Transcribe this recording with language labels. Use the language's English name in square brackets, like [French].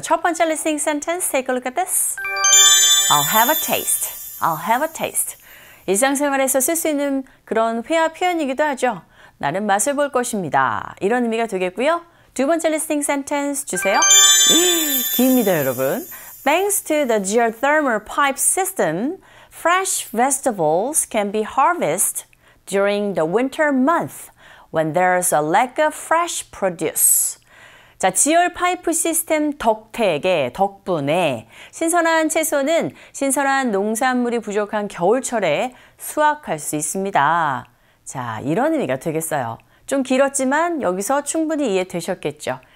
[Korean] 첫 번째 [English] listening sentence, take a look at this. I'll have a taste. I'll have a taste. [Korean] 일상생활에서 쓸 수 있는 그런 회화 표현이기도 하죠. 나는 맛을 볼 것입니다. 이런 의미가 되겠고요. 두 번째 listening sentence 주세요. 깁니다, 여러분. [English] Thanks to the geothermal pipe system, fresh vegetables can be harvested during the winter month when there's a lack of fresh produce. [Korean] 자, 지열 파이프 시스템 덕분에 신선한 채소는 신선한 농산물이 부족한 겨울철에 수확할 수 있습니다. 자, 이런 의미가 되겠어요. 좀 길었지만 여기서 충분히 이해되셨겠죠.